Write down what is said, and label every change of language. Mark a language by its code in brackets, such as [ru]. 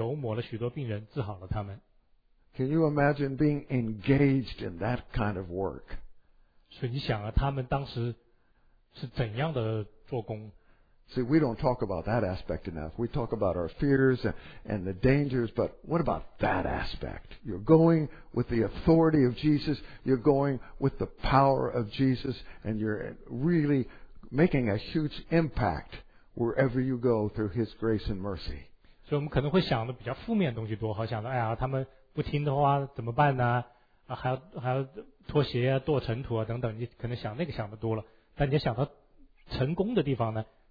[zh] 所以这里门徒就出去传道，叫人悔改，又赶出许多的鬼，用油抹了许多病人，治好了他们。 [en] Can you imagine being engaged in that kind of work? [zh] 所以你想啊，他们当时是怎样的做工？ [en] See, we don't talk about that aspect enough. We talk about our fears and the dangers, but what about that aspect? You're going with the authority of Jesus, you're going with the power of Jesus, and you're really making a huge impact wherever you go through His grace and mercy. [zh] So, 我们可能会想的比较负面的东西多，好想的，哎呀，他们不听的话怎么办呢？还要脱鞋啊，剁尘土啊，等等，你可能想那个想的多了，但你想到成功的地方呢？